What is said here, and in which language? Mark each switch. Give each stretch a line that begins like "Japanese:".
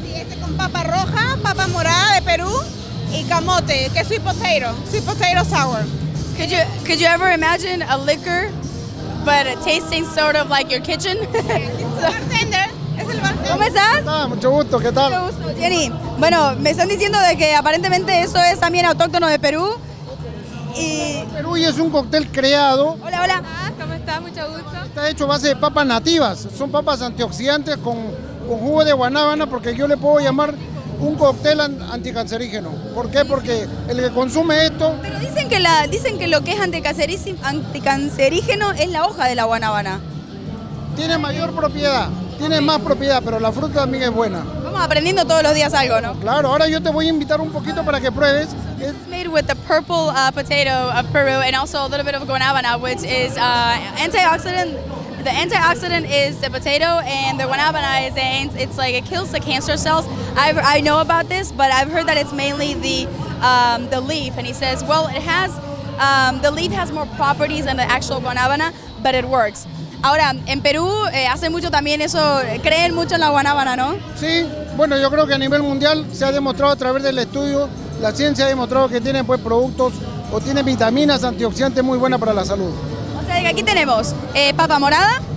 Spanish: Sí, este con papa roja, papa morada de Perú y camote, que es
English: sweet potato sour. Could you ever imagine a liquor, but tasting sort of like your kitchen?
Spanish: Es el bartender. ¿Cómo estás? Ah, mucho gusto, ¿qué tal? Mucho gusto, Jenny. Bueno, me están diciendo de que aparentemente eso es también autóctono de Perú. Y... Perú y es un cóctel creado. Hola, hola. ¿Cómo estás? Mucho gusto. Está hecho a base de papas nativas, son papas antioxidantes con jugo de guanábana, porque yo le puedo llamar un cóctel anticancerígeno. ¿Por qué? Porque el que consume esto... Pero dicen que lo que es anticancerígeno es la hoja de la guanábana. Tiene mayor propiedad, tiene más propiedad, pero la fruta también es buena. Vamos aprendiendo todos los días algo, ¿no? Claro, ahora yo te voy a invitar un poquito para que pruebes.
English: With the purple potato of Peru and also a little bit of guanabana, which is antioxidant. The antioxidant is the potato and the guanabana is it's like it kills the cancer cells. I know about this, but I've heard that it's mainly the leaf. And he says, well, it has the leaf has more properties than the actual guanabana, but it works.
Spanish: Ahora, en Perú hace mucho también eso, creen mucho en la guanabana, ¿no? Sí, bueno, yo creo que a nivel mundial se ha demostrado a través del estudio. La ciencia ha demostrado que tiene pues productos o tiene vitaminas antioxidantes muy buenas para la salud. O sea, aquí tenemos papa morada,